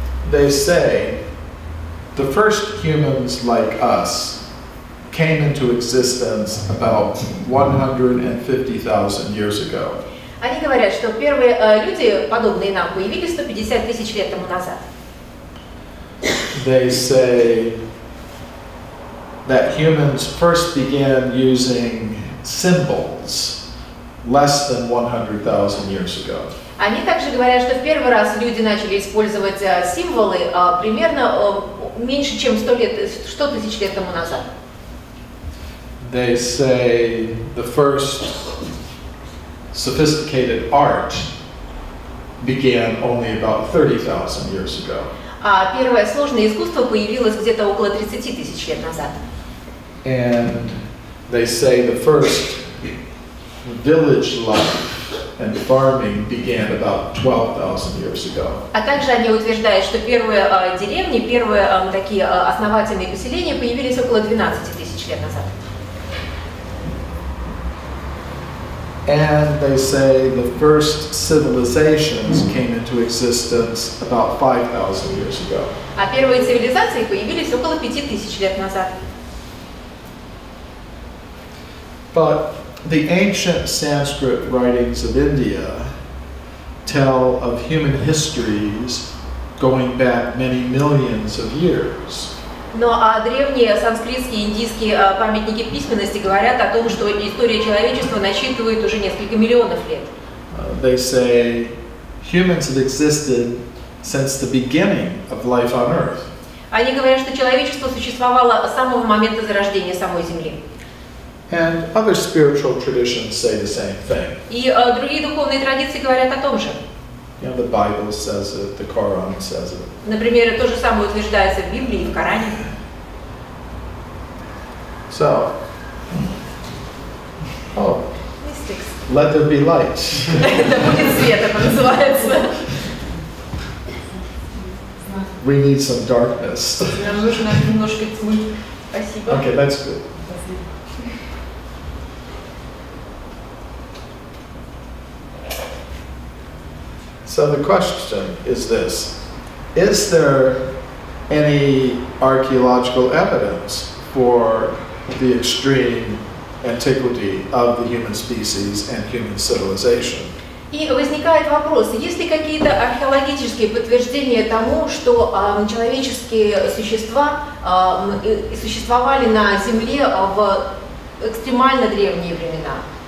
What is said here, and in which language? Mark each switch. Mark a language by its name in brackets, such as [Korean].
[English] They say the first humans like us came into existence about 150,000 years ago. [Russian] Они говорят, что первые люди, подобные нам, появились 150 тысяч лет тому назад. [English] They say that humans first began using symbols less than 100,000 years ago. [Russian] Они также говорят, что в первый раз люди начали использовать символы примерно меньше, чем 100 лет, 100 тысяч лет тому назад. [English] They say the first sophisticated art began only about 30,000 years ago. [Russian] А первое сложное искусство появилось где-то около 30 тысяч лет назад. [English] And they say the first village life and farming began about 12,000 years ago. [Russian] А также они утверждают, что первые деревни, первые такие основательные поселения появились около 12 тысяч лет назад. [English] And they say the first civilizations came into existence about 5,000 years ago. [Russian] А первые цивилизации появились около 5000 лет назад. [English] But the ancient Sanskrit writings of India tell of human histories going back many millions of years. [Russian] Но древние санскритские и индийские памятники письменности говорят о том, что история человечества насчитывает уже несколько миллионов лет. [English] They say humans have existed since the beginning of life on Earth. [Russian] Они говорят, что человечество существовало с самого момента зарождения самой Земли. [English] And other spiritual traditions say the same thing. [Russian] И другие духовные традиции говорят о том же. [English] You know, the Bible says it, the Quran says it. [Russian] Например, то же самое утверждается в Библии и в Коране. [English] So, mystics. Let there be light. [Russian] Да будет свет, это называется. [English] We need some darkness. [Russian] Нам нужно немножко тьмы. Спасибо. [English] Okay, that's good. So the question is this: is there any archaeological evidence for the extreme antiquity of the human species and human civilization? [Russian] И возникает вопрос, есть ли какие-то археологические подтверждения тому, что человеческие существа существовали на Земле в экстремально древние времена?